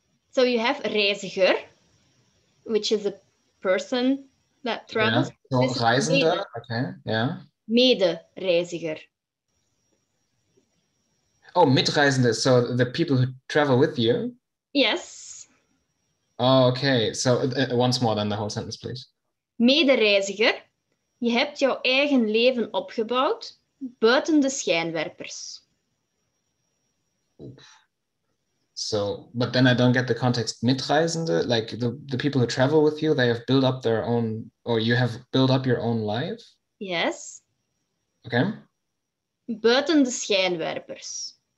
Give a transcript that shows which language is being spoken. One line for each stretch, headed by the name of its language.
English: So you have reiziger, which is a person that travels. Yeah. Reisende, okay, yeah.
Dutch: Medereiziger.
English: Oh, mitreisende, so the people who travel with you? Yes. Oh, okay, so once more then the whole sentence, please.
Dutch: Medereiziger, je hebt jouw eigen leven opgebouwd buiten de schijnwerpers.
English: So, but then I don't get the context mitreisende, like the people who travel with you, they have built up their own, or you have built up your own life? Yes. Okay.
Dutch: Buiten de schijnwerpers.